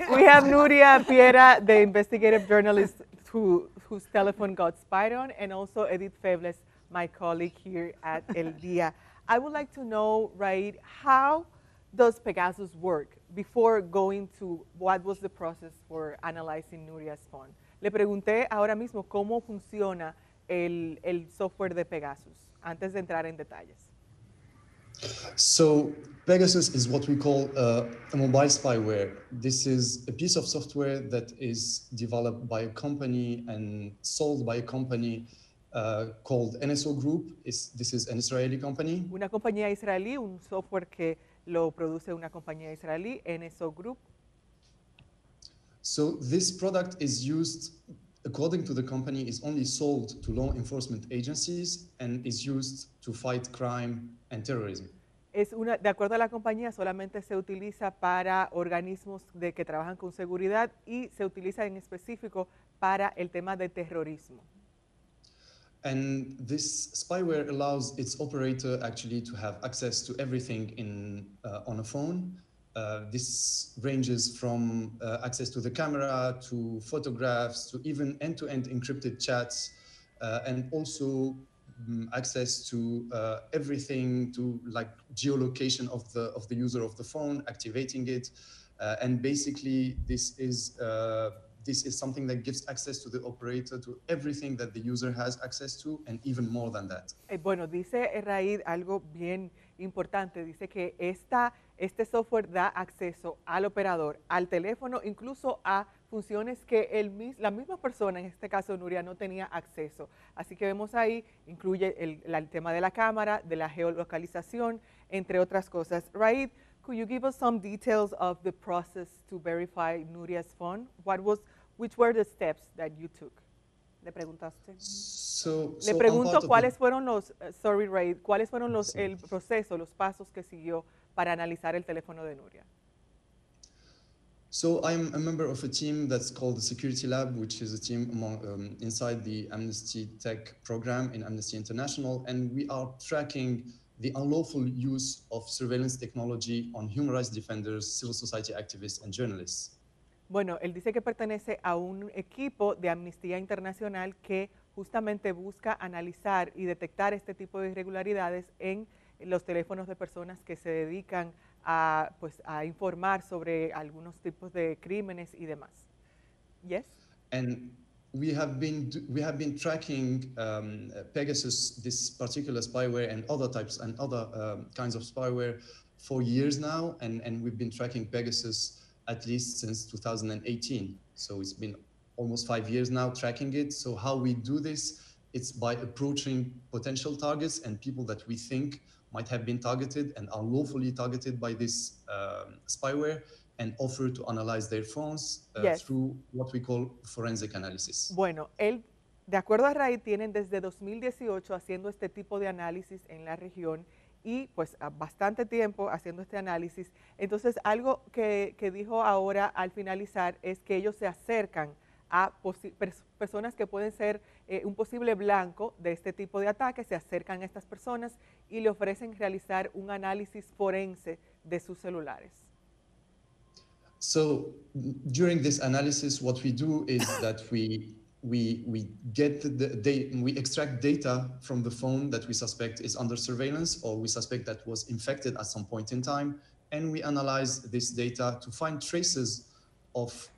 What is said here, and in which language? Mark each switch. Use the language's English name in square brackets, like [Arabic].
[English] We have Nuria Piera, the investigative journalist whose telephone got spied on, and also Edith Febles, my colleague here at El Día. I would like to know, right, how does Pegasus work before going to what was the process for analyzing Nuria's phone? [Spanish] Le pregunté ahora mismo cómo funciona el software de Pegasus, antes de entrar en detalles. [English] So, Pegasus is what we call a mobile spyware. This is a piece of software that is developed by a company and sold by a company called NSO Group. This is an Israeli company. [Spanish] Una compañía israelí, un software que lo produce una compañía israelí, NSO Group. [English] So this product is used, according to the company, is only sold to law enforcement agencies and is used to fight crime and terrorism. [Spanish] Es una, de acuerdo a la compañía, solamente se utiliza para organismos de que trabajan con seguridad y se utiliza en específico para el tema de terrorismo. [English] And this spyware allows its operator actually to have access to everything on a phone. This ranges from access to the camera, to photographs, to even end-to-end encrypted chats, and also access to everything, to like geolocation of the user of the phone, activating it, And basically, this is something that gives access to the operator to everything that the user has access to, and even more than that. [Spanish] Bueno, dice Raid algo bien importante. Dice que este software da acceso al operador, al teléfono, incluso a funciones que la misma persona, en este caso Nuria, no tenía acceso. Así que vemos ahí, incluye el tema de la cámara, de la geolocalización, entre otras cosas. [English] Raid, could you give us some details of the process to verify Nuria's phone? Which were the steps that you took? [Spanish] Le preguntaste. Le pregunto el proceso, los pasos que siguió para analizar el teléfono de Nuria. [English] So I'm a member of a team that's called the Security Lab, which is a team inside the Amnesty Tech program in Amnesty International, and we are tracking the unlawful use of surveillance technology on human rights defenders, civil society activists, and journalists. [Spanish] Bueno, él dice que pertenece a un equipo de Amnistía Internacional que justamente busca analizar y detectar este tipo de irregularidades en los teléfonos de personas que se dedican a informar sobre algunos tipos de crímenes y demás. [English] Yes? And we have been tracking Pegasus, this particular spyware, and other types and other kinds of spyware for years now, and we've been tracking Pegasus at least since 2018. So it's been almost 5 years now tracking it. So how we do this, it's by approaching potential targets and people that we think might have been targeted and are lawfully targeted by this spyware, and offer to analyze their phones through what we call forensic analysis. [Spanish] Bueno, él, de acuerdo a Raid, tienen desde 2018 haciendo este tipo de análisis en la región y pues bastante tiempo haciendo este análisis. Entonces, algo que dijo ahora al finalizar es que ellos se acercan a personas que pueden ser un posible blanco de este tipo de ataque, se acercan a estas personas y le ofrecen realizar un análisis forense de sus celulares. [English] So during this analysis, what we do is that we extract data from the phone that we suspect is under surveillance, or we suspect that was infected at some point in time, and we analyze this data to find traces of